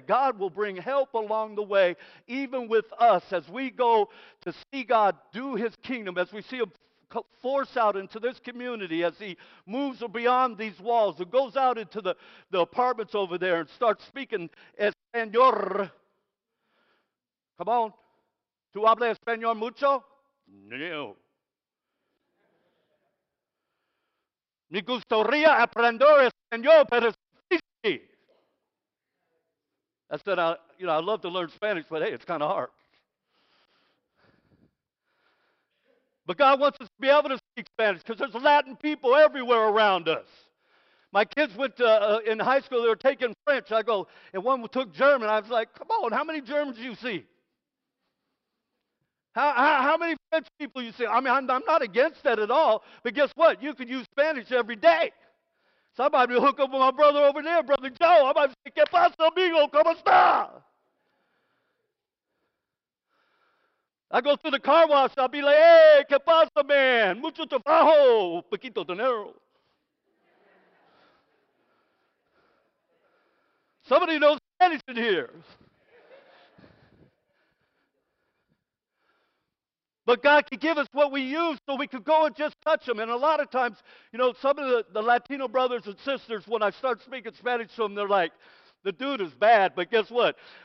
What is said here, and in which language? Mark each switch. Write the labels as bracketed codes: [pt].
[en] God will bring help along the way, even with us, as we go to see God do his kingdom, as we see him force out into this community, as he moves beyond these walls and goes out into the apartments over there and starts speaking Espanol. Come on. [es] ¿Tú hablas español mucho? No. Me gustaría aprender español, pero es difícil. [en] I said, I'd love to learn Spanish, but hey, it's kind of hard. But God wants us to be able to speak Spanish, because there's Latin people everywhere around us. My kids went to, in high school, they were taking French. I go, and one took German. I was like, come on, how many Germans do you see? How many French people you see? I mean, I'm not against that at all, but guess what? You could use Spanish every day. So I might be hooked up with my brother over there, Brother Joe. I might say, [es] ¿Qué pasa, amigo? ¿Cómo está? [en] I go through the car wash, I'll be like, hey, [es] ¿qué pasa, [en] man? [es] Mucho trabajo, poquito dinero. [en] Somebody knows Spanish in here. But God can give us what we use so we could go and just touch them. And a lot of times, you know, some of the Latino brothers and sisters, when I start speaking Spanish to them, they're like, the dude is bad, but guess what?